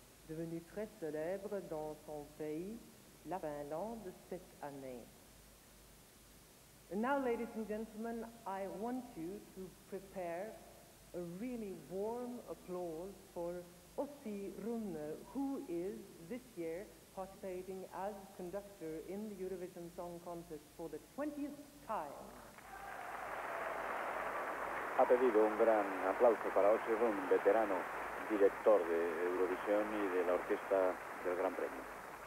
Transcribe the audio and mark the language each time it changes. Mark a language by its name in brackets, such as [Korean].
[French] Devenu très célèbre dans son pays, la Finlande, cette année. [English] And now, ladies and gentlemen, I want you to prepare a really warm applause for Ossi Rune, who is this year participating as conductor in the Eurovision Song Contest for the 20th time. [Spanish] Ha pedido un gran aplauso para Ossi Rune, veterano director de Eurovisión y de la orquesta del Gran Premio.